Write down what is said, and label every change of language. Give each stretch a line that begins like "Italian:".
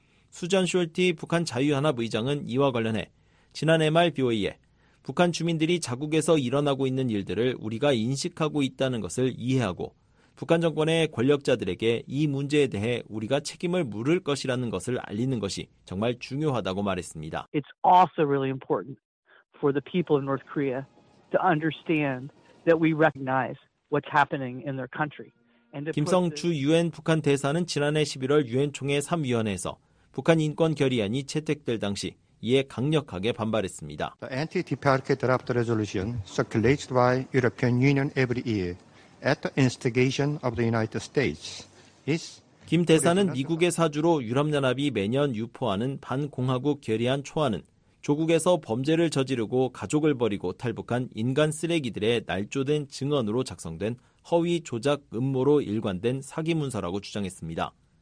Korean: 수잔 숄티 북한 자유연합 의장은 이와 관련해 지난해 말 BOA에 북한 주민들이 자국에서 일어나고 있는 일들을 우리가 인식하고 있다는 것을 이해하고 북한 정권의 권력자들에게 이 문제에 대해 우리가 책임을 물을 것이라는 것을 알리는 것이 정말 중요하다고 말했습니다.
English: It's also really important for the people of North Korea to understand that we recognize what's happening in their country.
Korean: 김성주 유엔 북한 대사는 지난해 11월 유엔 총회 3위원회에서 북한 인권 결의안이 채택될 당시 이에 강력하게 반발했습니다.
English: The anti-deprecate draft resolution circulated by European Union every year. At the instigation of the United States, is
Korean: 김 대사는 미국의 사주로 유럽연합이 매년 유포하는 반공화국 결의안 초안은 조국에서 범죄를 저지르고 가족을 버리고 탈북한 인간 쓰레기들의 날조된 증언으로 작성된 허위 조작 음모로 일관된 사기 문서라고 주장했습니다.